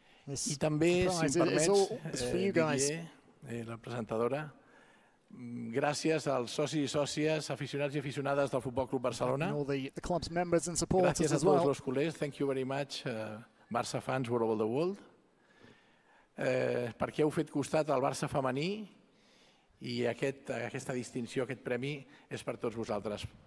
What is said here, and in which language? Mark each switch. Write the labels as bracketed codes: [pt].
[fr] Et aussi, si vous permettez, [ca] la présentadora, gràcies als socis i sòcies, aficionats i aficionades del Futbol Club Barcelona. [en] The club's members and supporters [ca] gràcies [en] as well. [ca] A tots els culers. [en] Thank you very much, Barça fans world over the world. [ca] Perquè heu fet costat al Barça femení, i aquesta distinció, aquest premi, és per tots vosaltres.